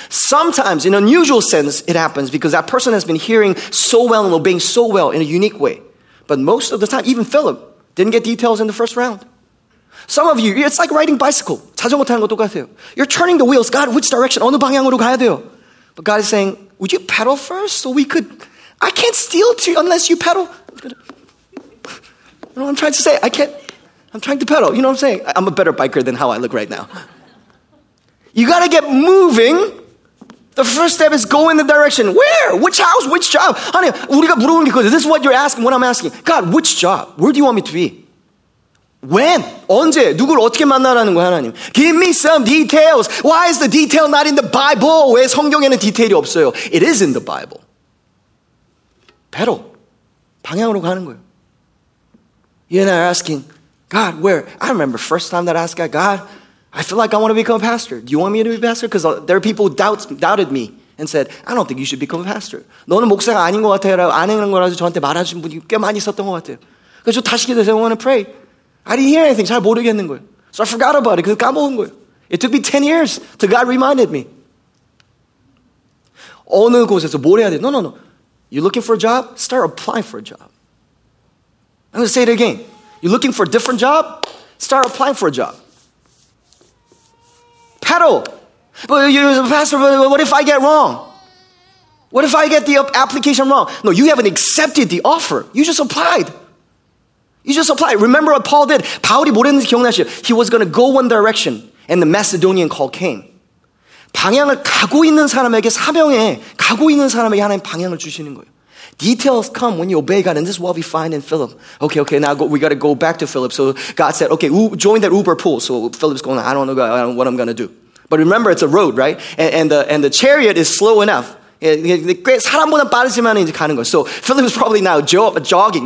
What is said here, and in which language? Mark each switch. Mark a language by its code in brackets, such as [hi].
[en] Sometimes, in an unusual sense, it happens because that person has been hearing so well and obeying so well in a unique way. But most of the time, even Philip, didn't get details in the first round. Some of you, it's like riding bicycle. [ko] 자전거 타는 거 똑같아요. [en] You're turning the wheels. God, which direction? [ko] 어느 방향으로 가야 돼요? [en] But God is saying, would you pedal first so we could... I can't steal to you unless you pedal. You know what I'm trying to say? I can't... I'm trying to pedal. You know what I'm saying? I'm a better biker than how I look right now. You got to get moving. The first step is go in the direction. Where? Which house? Which job? Honey, [ko] 우리가 물어보는 게 그거예요. [en] This is what you're asking, what I'm asking. God, which job? Where do you want me to be? When? [ko] 언제? 누굴 어떻게 만나라는 거야, 하나님? [en] Give me some details. Why is the detail not in the Bible? [ko] 왜 성경에는 디테일이 없어요? [en] It is in the Bible. Pedal. [ko] 방향으로 가는 거예요. [en] You and I are asking, God, where? I remember first time that I asked God, I feel like I want to become a pastor. Do you want me to be a pastor? Because there are people who doubted me and said, I don't think you should become a pastor. [ko] 너는 목사가 아닌 것 같아요. 아닌 거라서 저한테 말하신 분이 꽤 많이 있었던 것 같아요. 그래서 다시 기도해서 [en] I want to pray. I didn't hear anything. [ko] 잘 모르겠는 거예요. [en] So I forgot about it. [ko] 그래서 까먹은 거예요. [en] It took me 10 years till God reminded me. [ko] 어느 곳에서 뭘 해야 돼? [en] No. You're looking for a job? Start applying for a job. I'm going to say it again. You're looking for a different job? Start applying for a job. Pedal. But you're a pastor, but what if I get wrong? What if I get the application wrong? No, you haven't accepted the offer. You just applied. You just applied. Remember what Paul did? [ko] 바울이 뭘 했는지 기억나시죠? [en] He was going to go one direction, and the Macedonian call came. [ko] 방향을 가고 있는 사람에게 사명에, 가고 있는 사람에게 하나님 방향을 주시는 거예요. [en] Details come when you obey God, and this is what we find in Philip. Okay, now we got to go back to Philip. So God said, okay, join that Uber pool. So Philip's going, I don't know, God, I don't know what I'm going to do. But remember, it's a road, right? And the chariot is slow enough. So Philip is probably now jogging.